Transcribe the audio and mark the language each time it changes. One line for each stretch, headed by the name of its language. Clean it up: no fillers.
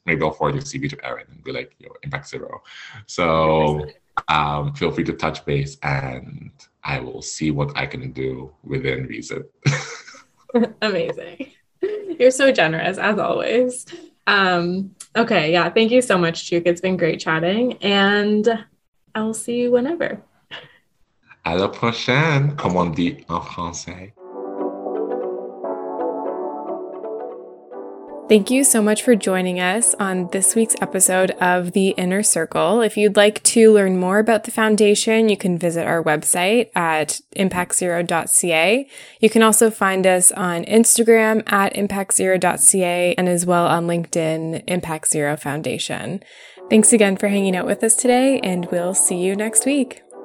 English: Maybe I'll forward your CV to Erin and be like, you know, Impact Zero. So feel free to touch base and I will see what I can do within reason. Amazing. You're so generous, as always. Okay, yeah. Thank you so much, Chuuk. It's been great chatting. And I'll see you whenever.
French: À la prochaine, comme on dit en français.
English: Thank you so much for joining us on this week's episode of The Inner Circle. If you'd like to learn more about the foundation, you can visit our website at impactzero.ca. You can also find us on Instagram @impactzero.ca and as well on LinkedIn, Impact Zero Foundation. Thanks again for hanging out with us today, and we'll see you next week.